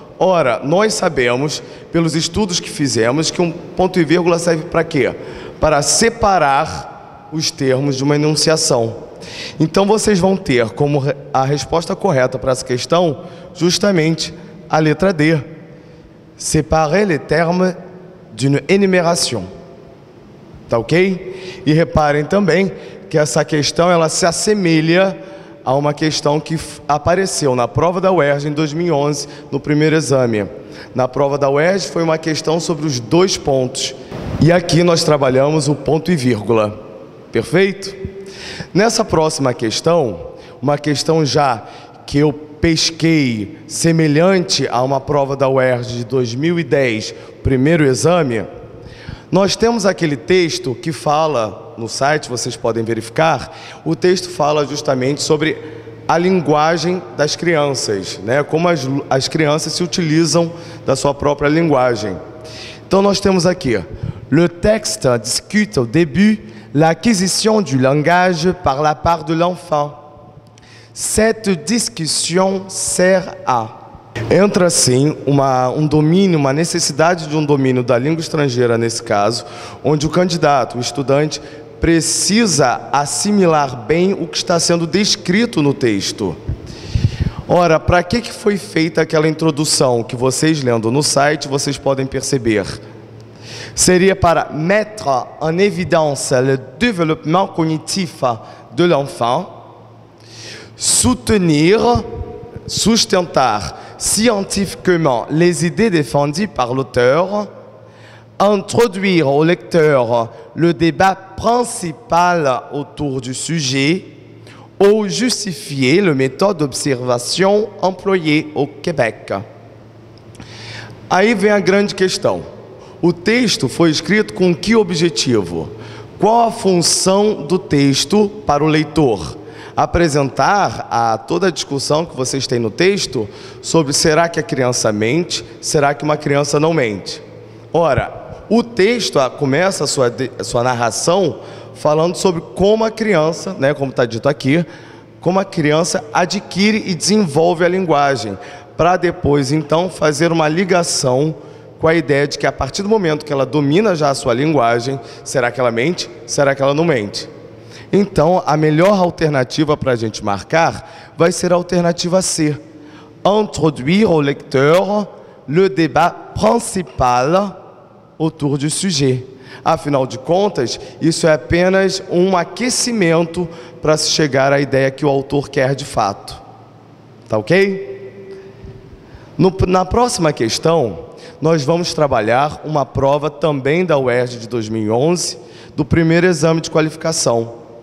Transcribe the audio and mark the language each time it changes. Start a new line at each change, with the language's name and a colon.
Portuguese: Ora, nós sabemos, pelos estudos que fizemos, que um ponto e vírgula serve para quê? Para separar os termos de uma enunciação. Então vocês vão ter como a resposta correta para essa questão justamente a letra D.
French: Séparer les termes d'une énumération.
Portuguese: Tá ok? E reparem também que essa questão ela se assemelha a uma questão que apareceu na prova da UERJ em 2011, no primeiro exame. Na prova da UERJ foi uma questão sobre os dois pontos. E aqui nós trabalhamos o ponto e vírgula. Perfeito? Nessa próxima questão, uma questão já que eu pesquei semelhante a uma prova da UERJ de 2010, primeiro exame, nós temos aquele texto que fala, no site vocês podem verificar, o texto fala justamente sobre a linguagem das crianças, né? Como as crianças se utilizam da sua própria linguagem. Então nós temos aqui:
French: le texte discute au début l'acquisition du langage par la part de l'enfant. Cette discussion sert à.
Portuguese: Entra assim um domínio, uma necessidade de um domínio da língua estrangeira nesse caso, onde o candidato, o estudante, precisa assimilar bem o que está sendo descrito no texto. Ora, para que foi feita aquela introdução que vocês lendo no site, vocês podem perceber? Seria para
French: mettre en évidence le développement cognitif de l'enfant. Soutenir, sustentar scientifiquement les idées défendues par l'auteur, introduire au lecteur le débat principal autour du sujet, ou justifier la méthode d'observation employée au Québec.
Portuguese: Aí vem a grande questão. O texto foi escrito com que objetivo? Qual a função do texto para o leitor? Apresentar a toda a discussão que vocês têm no texto sobre será que a criança mente, será que uma criança não mente. Ora, o texto começa a sua narração falando sobre como a criança, né, como está dito aqui, como a criança adquire e desenvolve a linguagem, para depois então fazer uma ligação com a ideia de que a partir do momento que ela domina já a sua linguagem, será que ela mente? Será que ela não mente? Então, a melhor alternativa para a gente marcar vai ser a alternativa C.
French: Introduire au lecteur le débat principal autour du sujet.
Portuguese: Afinal de contas, isso é apenas um aquecimento para se chegar à ideia que o autor quer de fato. Tá ok? Na próxima questão, nós vamos trabalhar uma prova também da UERJ de 2011, do primeiro exame de qualificação.